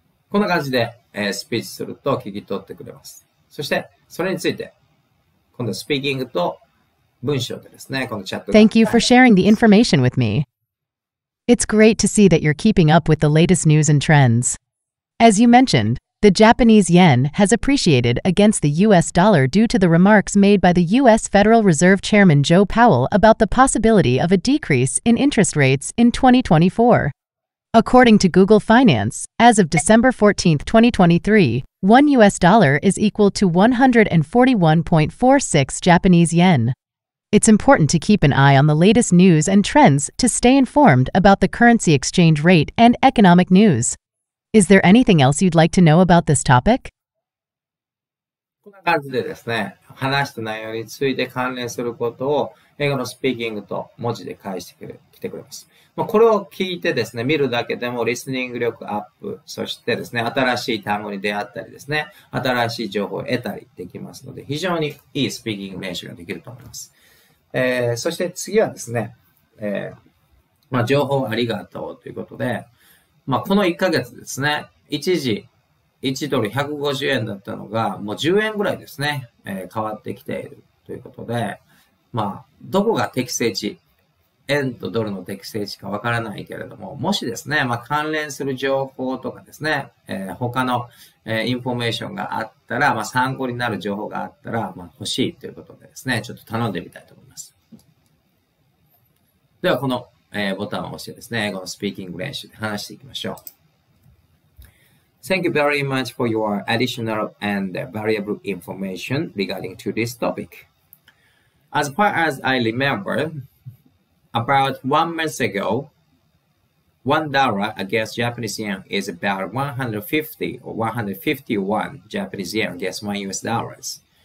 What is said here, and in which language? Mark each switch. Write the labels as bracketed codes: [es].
[ja] こんな感じで、スピーチすると聞き取ってくれます。そして、それについて、今度スピーキングと文章でですね、このチャット。 [en] Thank you for sharing the information with me. It's great to see that you're keeping up with the latest news and trends. As you mentioned, the Japanese yen has appreciated against the US dollar due to the remarks made by the US Federal Reserve Chairman Joe Powell about the possibility of a decrease in interest rates in 2024. According to Google Finance, as of December 14, 2023, one US dollar is equal to 141.46 Japanese yen. It's important to keep an eye on the latest news and trends to stay informed about the currency exchange rate and economic news. Is there anything else you'd like to know about this topic? [ja] こんな感じでですね、話した内容について関連することを英語のスピーキングと文字で返してくれ、来てくれます。まあ、これを聞いてですね、見るだけでもリスニング力アップ、そしてですね、新しい単語に出会ったりですね、新しい情報を得たりできますので、非常にいいスピーキング練習ができると思います。そして次はですね、まあ、情報ありがとうということで、まあ、この1ヶ月ですね、一時1ドル150円だったのが、もう10円ぐらいですね、変わってきているということで、まあ、どこが適正値、円とドルの適正値かわからないけれども、もしですね、まあ、関連する情報とかですね、他の、インフォメーションがあったら、まあ、参考になる情報があったら、まあ、欲しいということでですね、ちょっと頼んでみたいと思います。では、この、ボタンを押してですね、このスピーキング練習で話していきましょう。 [en] Thank you very much for your additional and valuable information regarding to this topic. As far as I remember, about 1 month ago, $1 against Japanese yen is about 150 or 151 Japanese yen against one US dollars.